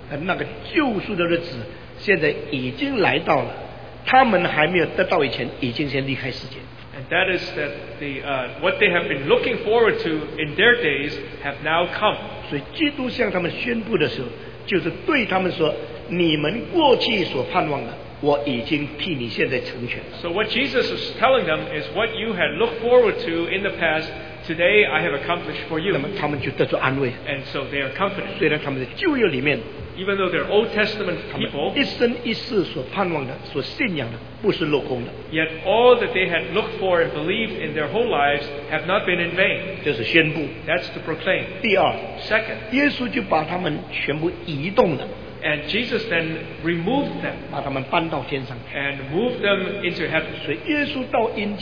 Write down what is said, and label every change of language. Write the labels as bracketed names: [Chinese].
[Chinese] 这样他们在旧约里面一直等那个救赎的日子, 现在已经来到了, 他们还没有得到以前已经先离开世界。 [English] And that is that what they have been looking forward to in their days have now come. [Chinese] 所以基督向他们宣布的时候, 就是对他们说, 你们过去所盼望的, 我已经替你现在成全了。 [English] So what Jesus is telling them is what you had looked forward to in the past, today I have accomplished for you. [Chinese] 那么他们就得到安慰。 [English] And so they are confident. [Chinese] 虽然他们在旧约里面, [English] even though they're Old Testament people, [Chinese] 一生一世所盼望的, 所信仰的, 不是落空的。 [English] Yet all that they had looked for and believed in their whole lives have not been in vain. [Chinese] 这是宣布。 [English] That's to proclaim. [Chinese] 第二, [English] second, [Chinese] 耶稣就把他们全部移动了。 [English] And Jesus then removed them and moved them into heaven.